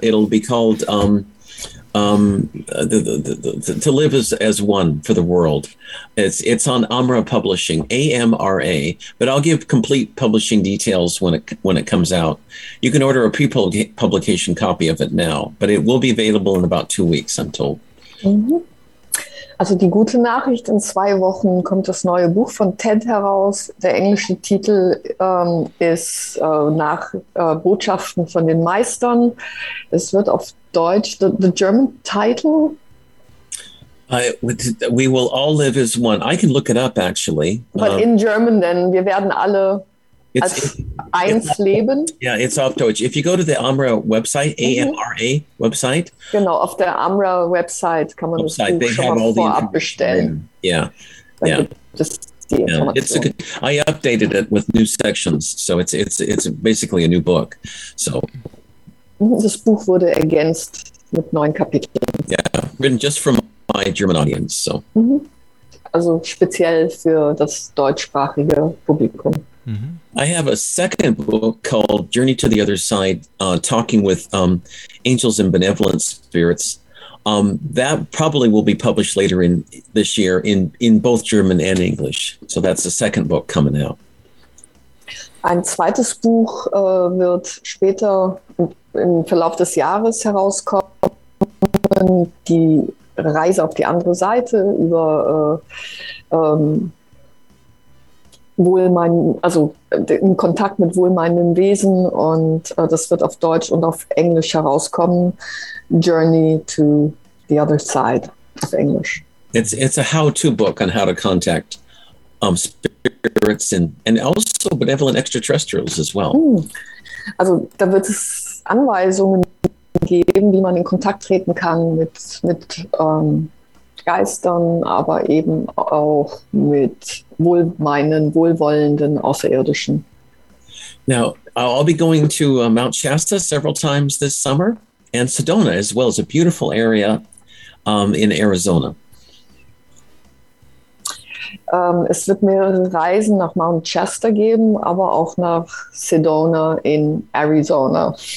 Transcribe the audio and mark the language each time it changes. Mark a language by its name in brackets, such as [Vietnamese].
[English] It'll be called To Live as One for the World. It's on Amra Publishing, AMRA, but I'll give complete publishing details when it comes out. You can order a pre-publication copy of it now, but it will be available in about 2 weeks, I'm told. Mm-hmm. [German] Also die gute Nachricht, in 2 Wochen kommt das neue Buch von Ted heraus. Der englische Titel ist nach Botschaften von den Meistern. Es wird auf Deutsch, [English] the German title? We will all live as one. I can look it up, actually. But in German, then, [German] wir werden alle als eins leben. [English] Yeah, it's [German] auf Deutsch. [English] If you go to the AMRA website, AMRA website. [German] Genau, auf der AMRA website kann man website, das Buch schon mal vorab bestellen. [English] Yeah, [German] da [English] It's a good, I updated it with new sections, so it's basically a new book. So. [German] Das Buch wurde ergänzt mit 9 Kapiteln. [English] Yeah, written just for my German audience. So. [German] Also speziell für das deutschsprachige Publikum. [English] I have a second book called Journey to the Other Side, talking with angels and benevolent spirits. That probably will be published later in this year in both German and English. So that's the second book coming out. [German] Ein zweites Buch wird später im Verlauf des Jahres herauskommen, die Reise auf die andere Seite über in Kontakt mit wohlmeinenden Wesen und das wird auf Deutsch und auf Englisch herauskommen, Journey to the Other Side auf Englisch. [English] It's a how-to book on how to contact spirits and also benevolent extraterrestrials as well. [German] Also da wird es Anweisungen geben, wie man in Kontakt treten kann mit Geistern, aber eben auch mit wohlwollenden Außerirdischen. [English] Now, I'll be going to Mount Shasta several times this summer and Sedona as well as a beautiful area in Arizona. [German] Es wird mehrere Reisen nach Mount Shasta geben, aber auch nach Sedona in Arizona.